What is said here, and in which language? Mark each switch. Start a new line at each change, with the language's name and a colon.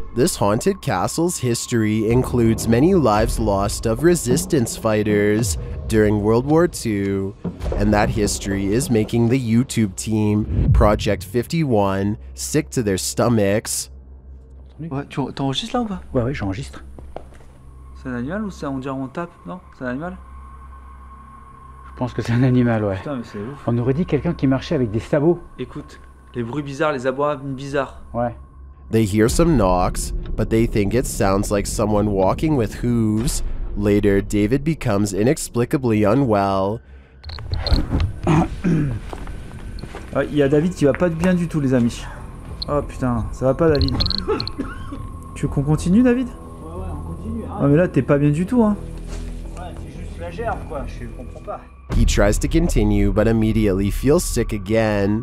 English: This haunted castle's history includes many lives lost of resistance fighters during World War II, and that history is making the YouTube team, Project 51, sick to their stomachs.
French: C'est un animal ou c'est on dirait on tape, non? C'est un animal? Je pense que c'est un animal, ouais. Putain, mais c'est ouf. On aurait dit quelqu'un qui marchait avec des sabots. Écoute, les bruits bizarres, les abois bizarres. Ouais.
English: They hear some knocks, but they think it sounds like someone walking with hooves. Later, David becomes inexplicably unwell.
French: Il y a David qui va pas bien du tout, les amis. Oh putain, ça va pas, David. Tu veux qu'on continue, David? Ah, mais là, t'es pas bien du tout, hein. Ouais, c'est juste la gerbe, quoi. Je comprends pas.
English: He tries to continue, but immediately feels sick again.